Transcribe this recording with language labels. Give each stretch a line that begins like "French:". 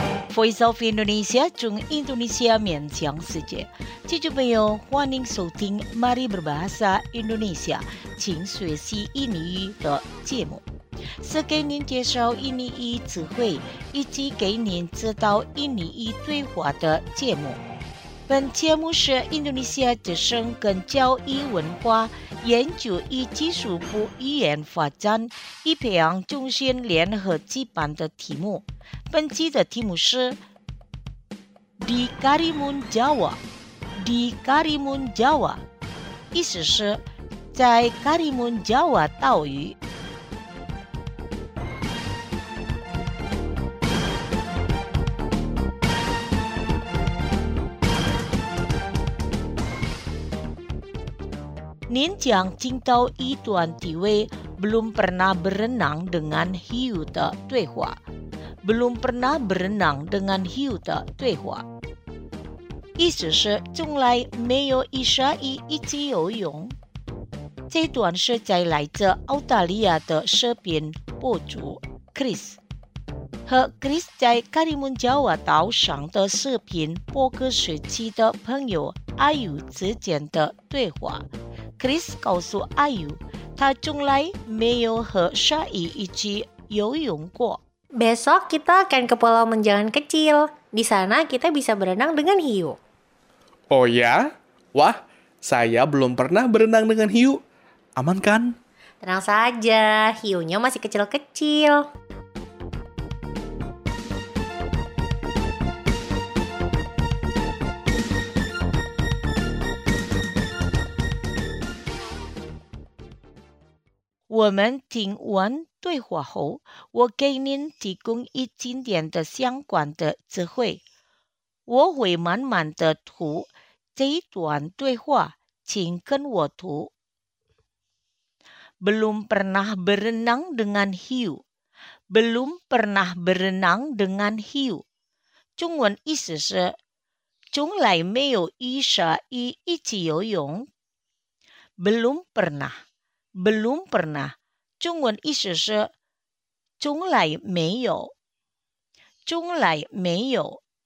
Chinese: Voice of Indonesia 中 Indonesia 面向世界，听众朋友，欢迎收听 Mari Berbahasa Indonesia， 请学习印尼语的节目，是给您介绍印尼语词汇以及给您指导印尼语对话的节目。本节目是印度尼西亚之声跟教育文化研究与技术部语言发展与培养中心联合举办的题目。本期的题目是
Indonesian: Di Karimun Jawa， Di Karimun Jawa，
Chinese: 意思是在 Karimun Jawa 岛屿。您将听到一段几位
Indonesian: belum pernah berenang dengan hiu
Chinese: 的对话， belum pernah berenang dengan hiu 的对话，意思是从来没有一鲨鱼一起游泳。这段是在来自澳大利亚的视频博主 Chris 和 Chris 在卡里蒙加瓦岛上的视频播客时期的朋友阿尤之间的对话。 Chris 告诉阿尤，他从来没有和鲨鱼一起游泳过。
Indonesian: Besok kita akan ke Pulau Menjangan kecil. Di sana kita bisa berenang dengan hiu. Oh ya? Wah, saya belum pernah berenang dengan hiu. Aman kan? Tenang saja, hiunya masih kecil-kecil.
Chinese: 我们听完对话后，我给您提供一经典的相关的词汇。我会慢慢的读这一段对话，请跟我读。
Indonesian: Belum pernah berenang dengan hiu. Belum pernah berenang dengan hiu.
Chinese: 中文意思是，从来没有与鲨鱼一起游泳。
Indonesian: Belum pernah. Belum pernah，
Chinese: 中文意思是从来没有，从来没有。